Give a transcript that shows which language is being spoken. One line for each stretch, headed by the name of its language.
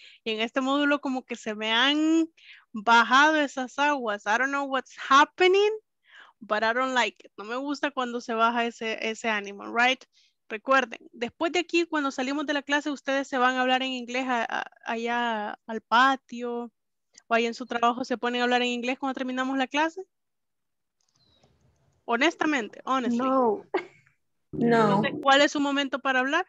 Spanish: Y en este módulo como que se me han bajado esas aguas.
English: I don't know what's happening, but I don't like it. No me gusta cuando se baja ese ánimo, right?
Spanish: Recuerden, después de aquí, cuando salimos de la clase, ustedes se van a hablar en inglés allá al patio. O ahí en su trabajo se ponen a hablar en inglés cuando terminamos la clase. Honestamente, honestly. No. No. Entonces, ¿cuál es su momento para hablar?